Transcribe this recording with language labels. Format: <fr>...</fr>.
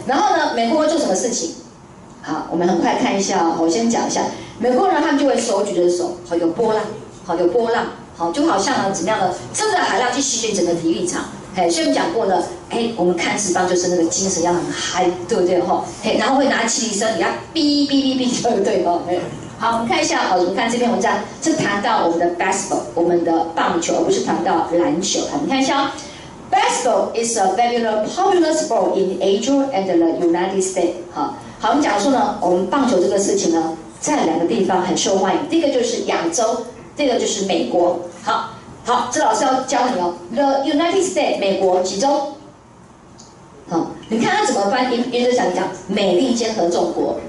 <zh>然后呢，美国会做什么事情？好，我们很快看一下、哦。我先讲一下，美国人他们就会手举着手，好，有波浪，好，有波浪，好，就好像呢怎么样的，真的海浪去席卷整个体育场。嘿，所以我们讲过呢，哎，我们看职棒就是那个精神要很嗨，对不对？哈，嘿，然后会拿汽笛声，你看，哔哔哔哔，对不对？哈，嘿。好，我们看一下，好，我们看这篇文章是谈到我们的 baseball， 我们的棒球，而不是谈到篮球。好，我们看一下、哦、，</zh> <en>baseball is a very popular sport in Asia and the United States。</en> <zh>好，好，我们讲说呢，我们棒球这个事情呢，在两个地方很受欢迎，第一个就是亚洲，第二个就是美国。好，好，这老师要教你哦 ，the United States， 美国几州？好，你看他怎么翻译，一直想讲美利坚合众国。</zh>